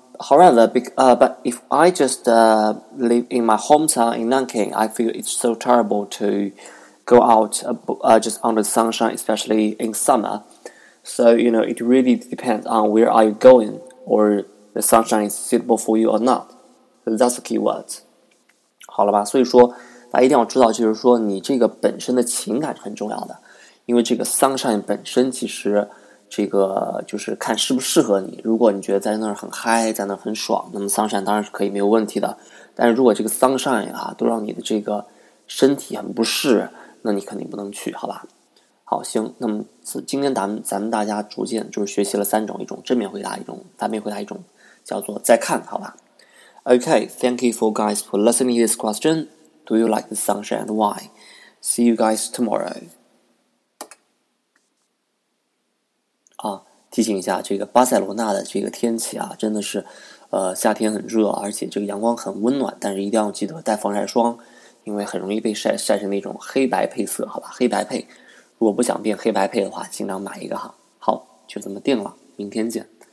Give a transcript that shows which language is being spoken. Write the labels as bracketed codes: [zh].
[en] However, if I just live in my hometown in Nanking, I feel it's so terrible to go out just under the sunshine, especially in summer. So, you know, it really depends on where are you going or the sunshine is suitable for you or not. So that's the key word. [zh] 好了吧，所以说大家一定要知道，就是说你这个本身的情感是很重要的，因为这个 sunshine 本身其实这个就是看适不适合你。如果你觉得在那儿很嗨，在那儿很爽，那么 sunshine 当然是可以没有问题的。但是如果这个 sunshine 啊都让你的这个身体很不适，那你肯定不能去，好吧？好，行，那么今天咱们大家逐渐就是学习了三种，一种正面回答，一种反面回答，一种叫做再看，好吧？ [en] Okay, thank you for guys for listening to this question. Do you like the sunshine and why? See you guys tomorrow. [zh] 啊，提醒一下，这个巴塞罗那的这个天气啊，真的是夏天很热，而且这个阳光很温暖，但是一定要记得带防晒霜，因为很容易被晒成那种黑白配色，好吧？黑白配，如果不想变黑白配的话，尽量买一个哈。好，就这么定了，明天见。